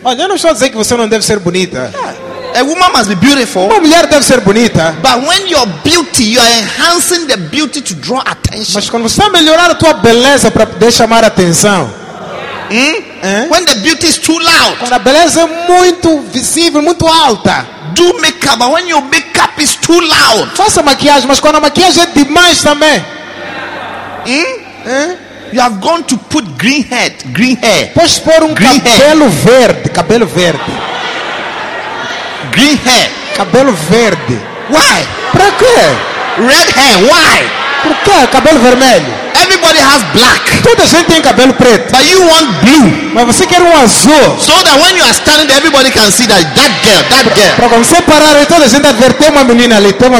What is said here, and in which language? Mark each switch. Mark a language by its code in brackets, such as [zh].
[pt] Olha, eu não estou a dizer que você não deve ser bonita. [en] A woman must be beautiful. [pt] Uma mulher deve ser bonita. [en] But when your beauty, you are enhancing the beauty to draw attention. [pt] Mas quando você melhorar a tua beleza para poder chamar atenção. [en] When the beauty is too loud. [pt] Quando a beleza é muito visível, muito alta. [en] Do makeup, but when your makeup is too loud. [pt] Faça maquiagem, mas quando a maquiagem é demais também. [en] You have gone to put green head, green hair. [pt] Pois pôr [en] green [pt] cabelo [en] hair. [pt] Verde, cabelo verde. [en] Green hair, [pt] cabelo verde. [en] Why? [pt] Para quê? [en] Red hair, why? [pt] Por quê? Cabelo vermelho. [en] Everybody has black. [pt] Toda gente tem cabelo preto. [en] But you want blue. [pt] Mas você quer azul. [en] So that when you are standing, everybody can see that girl. [pt] Para quando você parar, toda gente vai ver, tem uma menina ali.